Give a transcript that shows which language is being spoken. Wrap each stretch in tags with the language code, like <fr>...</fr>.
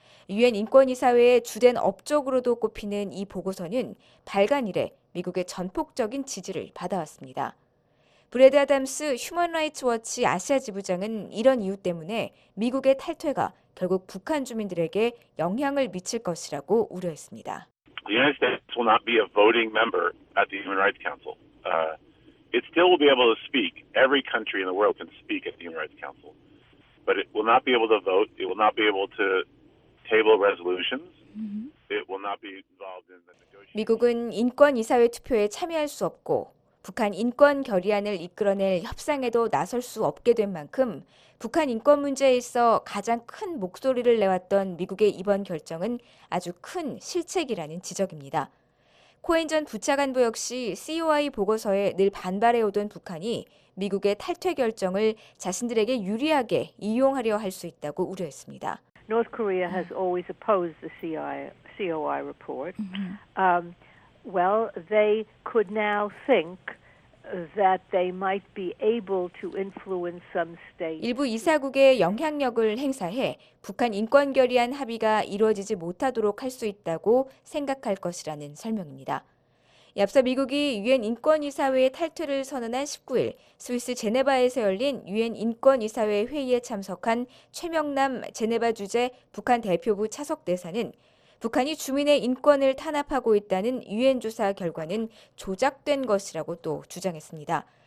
<ko>유엔 인권이사회의 주된 업적으로도 꼽히는 이 보고서는 발간 이래 미국의 전폭적인 지지를 받아왔습니다. 브래드 아담스 휴먼라이츠워치 아시아 지부장은 이런 이유 때문에 미국의 탈퇴가 결국 북한 주민들에게 영향을 미칠 것이라고 우려했습니다.</ko> <en>The United States will not be a voting member at the Human Rights Council. It still will be able to speak. Every country in the world can speak at the Human Rights Council. But it will not be able to vote. It will not be able to table resolutions. It will not be involved in the negotiations.</en> <ko>미국은 인권이사회 투표에 참여할 수 없고 북한 인권 결의안을 이끌어낼 협상에도 나설 수 없게 된 만큼 북한 인권 문제에 있어 가장 큰 목소리를 내왔던 미국의 이번 결정은 아주 큰 실책이라는 지적입니다. 코엔 전 부차관보 역시 COI 보고서에 늘 반발해오던 북한이 미국의 탈퇴 결정을 자신들에게 유리하게 이용하려 할 수 있다고 우려했습니다.</ko> <en>North Korea has always opposed the COI report. Well, they could now think that they might be able to influence some states.</en> <ko>일부 이사국의 영향력을 행사해 북한 인권 결의안 합의가 이루어지지 못하도록 할 수 있다고 생각할 것이라는 설명입니다. 앞서 미국이 유엔 인권이사회의 탈퇴를 선언한 19일 스위스 제네바에서 열린 유엔 인권이사회 회의에 참석한 최명남 제네바 주재 북한 대표부 차석 대사는 북한이 주민의 인권을 탄압하고 있다는 유엔 조사 결과는 조작된 것이라고 또 주장했습니다.</ko>